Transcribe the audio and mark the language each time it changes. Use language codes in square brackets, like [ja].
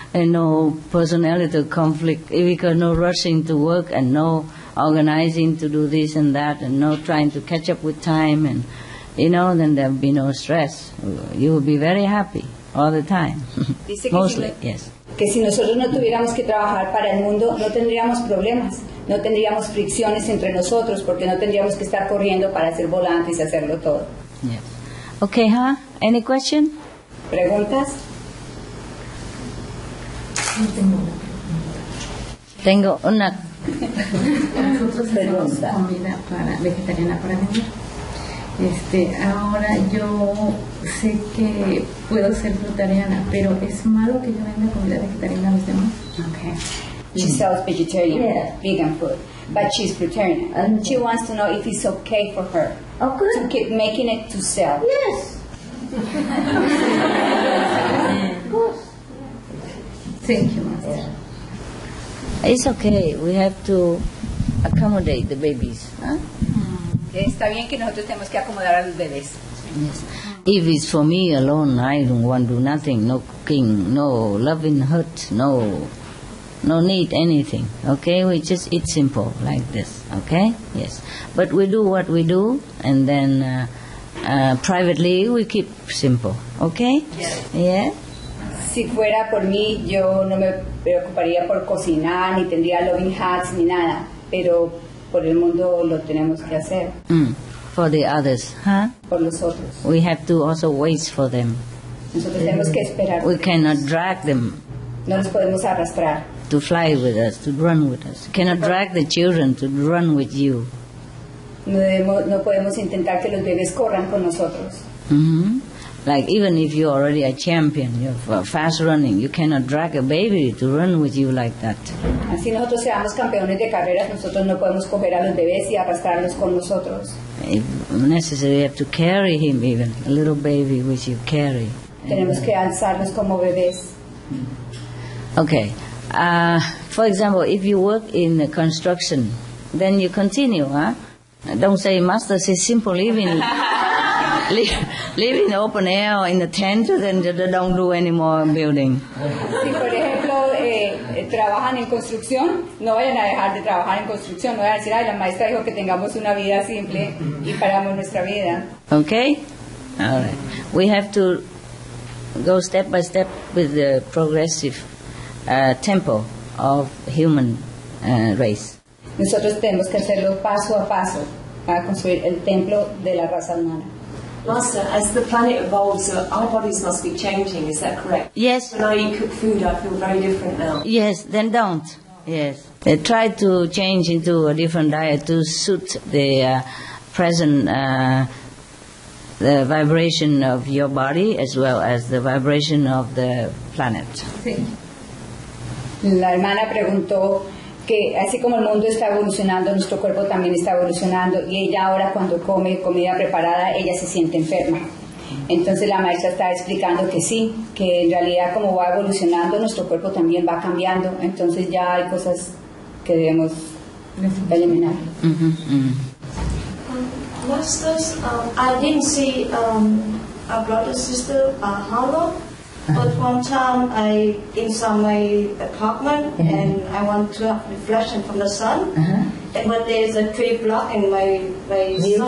[en] And no personality conflict, because no rushing to work and no organizing to do this and that and no trying to catch up with time. And, you know, then there will be no stress. You will be very happy all the time. Mostly, yes. [es] que si nosotros no tuviéramos que trabajar para el mundo, no tendríamos problemas, no tendríamos fricciones entre nosotros, porque no tendríamos que estar corriendo para hacer volantes y hacerlo todo. [en] Yes. Okay, huh? Any question? [es] ¿Preguntas? Tengo una pregunta. Comida para vegetariana para vender. Ahora yo sé que puedo ser fruitariana, pero ¿es malo que yo venda comida vegetariana a los demás? [en] Okay. She sells vegetarian, yeah. Vegan food, but she's fruitarian. Okay. She wants to know if it's okay for her. Oh, good. To keep making it to sell. Yes. Thank you, Master. It's okay. We have to accommodate the babies. Huh? [es] Está bien que nosotros tenemos que acomodar a los bebés. [en] Yes. If it's for me alone, I don't want to do nothing. No cooking, no loving hurt, no need anything. Okay? We just eat simple like this. Okay? Yes. But we do what we do, and then privately we keep simple. Okay? Yes. Yeah? [es] Si fuera por mí, yo no me preocuparía por cocinar, ni tendría loving hats, ni nada. Pero por el mundo lo tenemos que hacer. [en] Mm. For the others, huh? [es] Por los otros. [en] We have to also wait for them. [es] Nosotros tenemos que esperar. [en] We cannot drag them. [es] No los podemos arrastrar. [en] To fly with us, to run with us. Cannot drag the children to run with you. [es] No podemos intentar que los bebés corran con nosotros. Mm-hmm. [en] Like even if you're already a champion, you're fast running, you cannot drag a baby to run with you like that. [es] Así nosotros seamos campeones de carreras, nosotros no podemos coger a los bebés y arrastrarlos con nosotros. [en] If necessary, you have to carry him even, a little baby which you carry. [es] Tenemos que alzarlos como bebés. [en] Okay. For example, if you work in the construction, then you continue, huh? Don't say, Master, say simple living. Live in the open air or in the tent, then don't do any more building. [es] Si, por ejemplo, trabajan en construcción, no vayan a dejar de trabajar en construcción. No vayan a decir, ay, la maestra dijo que tengamos una vida simple y paramos nuestra vida. [en] Okay? All right. We have to go step by step with the progressive tempo of human race. [es] Nosotros tenemos que hacerlo paso a paso para construir el templo de la raza humana. [en] Master, as the planet evolves, our bodies must be changing, is that correct? Yes. When I eat cooked food, I feel very different now. Yes, then don't. Yes. They try to change into a different diet to suit the present the vibration of your body as well as the vibration of the planet. [es] La hermana preguntó que así como el mundo está evolucionando, nuestro cuerpo también está evolucionando, y ella ahora cuando come comida preparada, ella se siente enferma. Entonces la maestra está explicando que sí, que en realidad como va evolucionando, nuestro cuerpo también va cambiando, entonces ya hay cosas que debemos eliminar. Mm-hmm. [en] Masters, I didn't see a brother sister, how long? But one time I in some my apartment, mm-hmm. and I want to have reflection from the sun, uh-huh. and but there is a tree blocking my sun,